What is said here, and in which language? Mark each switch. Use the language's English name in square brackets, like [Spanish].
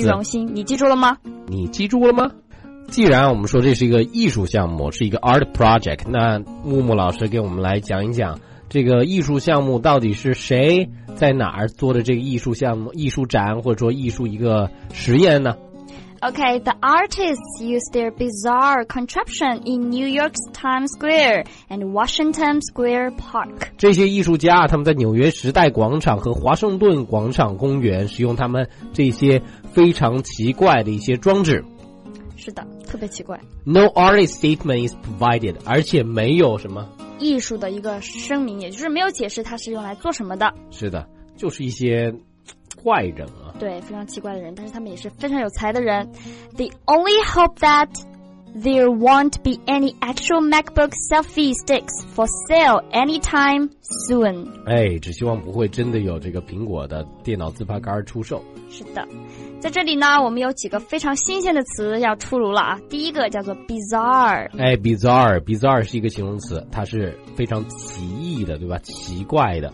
[Chinese] 虚荣心，你记住了吗？你记住了吗？既然我们说这是一个艺术项目，是一个 art project， 那木木老师给我们来讲一讲这个艺术项目到底是谁在哪儿做的这个艺术项目、艺术展或者说艺术一个实验呢？ [English] Okay, the artists used their bizarre contraption in New York's Times Square and Washington Square Park. [Chinese] 这些艺术家他们在纽约时代广场和华盛顿广场公园使用他们这些非常奇怪的一些装置。是的，特别奇怪。 [English] No artist statement is provided, [Chinese] 而且没有什么艺术的一个声明，也就是没有解释它是用来做什么的。是的，就是一些怪人啊，对，非常奇怪的人，但是他们也是非常有才的人。 [English] The only hope that there won't be any actual MacBook selfie sticks for sale anytime soon. [Chinese] 哎，只希望不会真的有这个苹果的电脑自拍杆出售。是的，在这里呢，我们有几个非常新鲜的词要出炉了啊。第一个叫做 bizarre。哎 ，bizarre，bizarre 是一个形容词，它是非常奇异的，对吧？奇怪的。